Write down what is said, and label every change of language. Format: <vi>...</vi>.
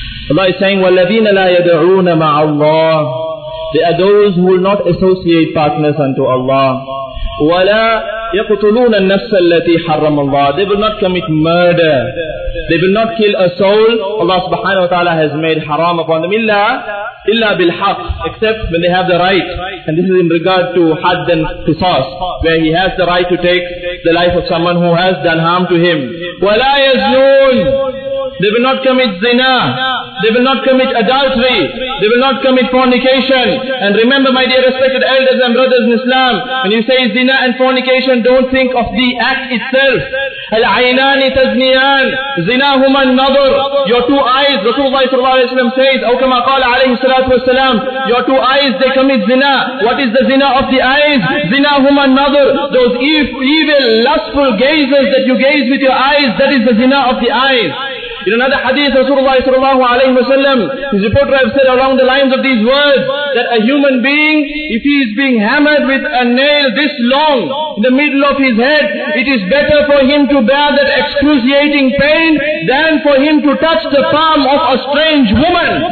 <en>Allah is saying,</en> <ar>وَالَّذِينَ لَا يَدْعُونَ مَعَ اللَّهِ.</ar> <en>They are those who will not associate partners unto Allah.</en> <ar>وَلَا يَقْتُلُونَ النَّفْسَ الَّتِي حَرَّمَ اللَّهِ.</ar> <en>They will not commit murder. They will not kill a soul Allah subhanahu wa ta'ala has made haram upon them.</en> <ar>إلا بالحق.</ar> <en>Except when they have the right. And this is in regard to had and qisas, where he has the right to take the life of someone who has done harm to him.</en> <ar>وَلَا يَزْنُونَ.</ar> <en>They will not commit zina. They will not commit adultery. They will not commit fornication. And remember, my dear respected elders and brothers in Islam, when you say zina and fornication, don't think of the act itself.</en> <ar>العينان تزنيان زناهما النظر.</ar> <en>Your two eyes, Rasulullah sallallahu alayhi wa sallam says,</en> <ar>أو كما قال عليه</ar> <en>salatu wasalam, your two eyes, they commit zina. What is the zina of the eyes?</en> <ar>Zinahuma nadhur.</ar> <en>Those evil, lustful gazes that you gaze with your eyes, that is the zina of the eyes. In another hadith, Rasulullah sallallahu alayhi wa sallam, his reporter have said along the lines of these words, that a human being, if he is being hammered with a nail this long in the middle of his head, it is better for him to bear that excruciating pain than for him to touch the palm of a strange woman.</en>